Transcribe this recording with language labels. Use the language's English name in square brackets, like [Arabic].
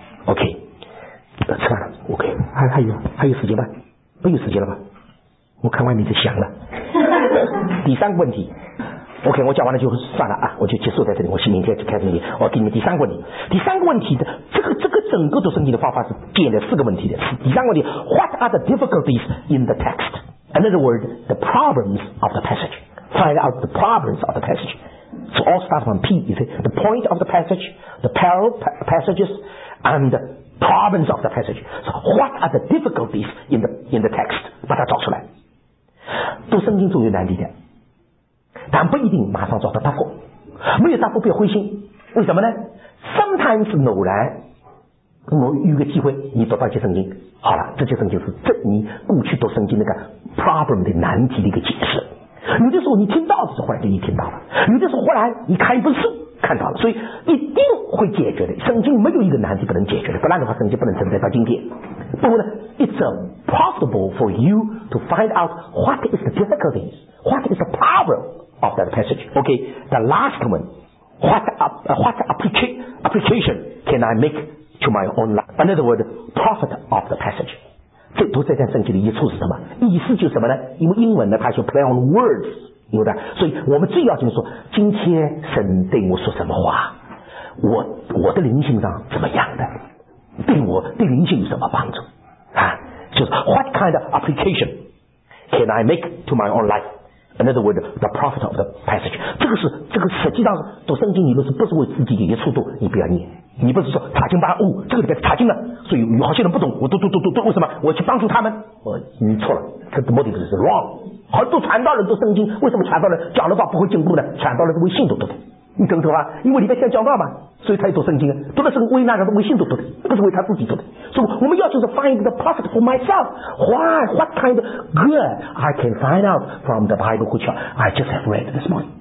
[Chinese] OK， 吃饭了。OK， 还有时间吗？不有时间了吧？我看外面在响了。第三个问题， OK， 我讲完了就算了啊，我就结束在这里，我明天就开始你，我给你们第三个问题。第三个问题的这个整个读圣经的方法是建立四个问题的。第三个问题， [English] What are the difficulties in the text？ In other words, the problems of the passage. Find out the problems of the passage. So all start from P. You see, the point of the passage, the parallel passages, and the problems of the passage. So what are the difficulties in the text? [Chinese] 把它找出来。读圣经总有难题的，但不一定马上找到答复。没有答复不要灰心，为什么呢？ Sometimes 偶然我有个机会你读到一些圣经，好了，这些圣经是这你过去读圣经那个 problem 的难题的一个解释。有的时候你听到的时候忽然就你听到了，有的时候忽然你看一本书看到了，所以一定会解决的。圣经没有一个难题不能解决的，不然的话圣经不能存在到今天。不过呢， [English] It's profitable for you to find out what is the difficulties, what is the problem of that passage. OK, the last one, what application can I makeTo my own life. In other words, profit of the passage. [Chinese] 这读这段圣经的意思是什么？意思就是什么呢？因为英文呢，它是 [English] play on words， [Chinese] 有的。所以我们最要紧说，今天神对我说什么话？我的灵性上怎么样的？对灵性有什么帮助？啊，就是 [English] what kind of application can I make to my own life? In other words, the profit of the passage. [Chinese] 这个实际上读圣经，你们是不是为自己有些触动？你不要念，你不是说查经吧？哦，这个里边查经了，所以有好些人不懂。我读，为什么？我去帮助他们？你错了，这目的不是 wrong。很多传道人读圣经，为什么传道人讲了话不会进步呢？传道人是为信徒读的，你懂不懂啊？因为里边先讲到嘛，所以他也读圣经，读的是为那个为信徒读的，不是为他自己读的。所以我们要求是 [English] find the profit for myself. Why? What kind of good I can find out from the Bible which I just have read this morning?